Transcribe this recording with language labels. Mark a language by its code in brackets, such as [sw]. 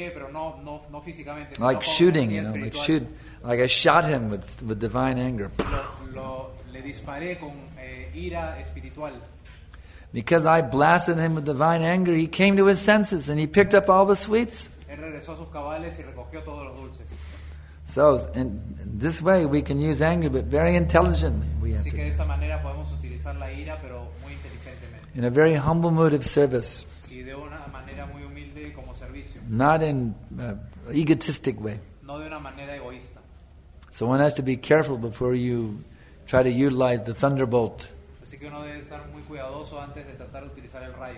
[en] like shooting, you know, like I shot him with divine anger. [es] le disparé con ira espiritual. [en] Because I blasted him with divine anger, he came to his senses and he picked up all the sweets. [es] Él regresó a sus cabales y recogió todos los dulces. [en] So, in this way, we can use anger, but very intelligently. We have to. [es] Así que de esta manera podemos utilizar la ira, pero muy inteligentemente. [en] In a very humble mood of service. [es] Y de una manera muy humilde como servicio. [en] Not in egotistic way. [es] No de una manera egoísta. [en] So one has to be careful before you try to utilize the thunderbolt. [es] Así que uno debe estar muy cuidadoso antes de tratar de utilizar el rayo.